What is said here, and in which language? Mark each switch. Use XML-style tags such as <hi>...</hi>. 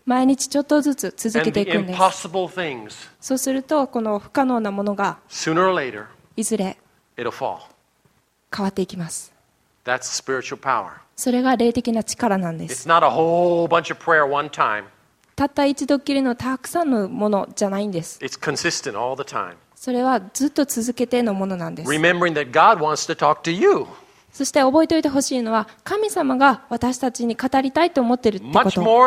<ja>毎日ちょっとずつ続けていくんです。</ja> <en>things,</en> <ja>そうするとこの不可能なものが</ja> <en>sooner or later,</en> <ja>いずれ</ja> <en>it'll fall.</en> <ja>変わっていきます。</ja> <en>That's spiritual power.</en> <ja>それが霊的な力なんです。</ja> <en>It's not a whole bunch of prayer one time.</en> <ja>たった一度きりのたくさんのものじゃないんです。</ja> <en>It's consistent all the time.</en> <ja>それはずっと続けてのものなんです。</ja> <en>Remembering that God wants to talk to you.</en> <ja>そして覚えておいてほしいのは、神様が私たちに語りたいと思っているってこと。</ja>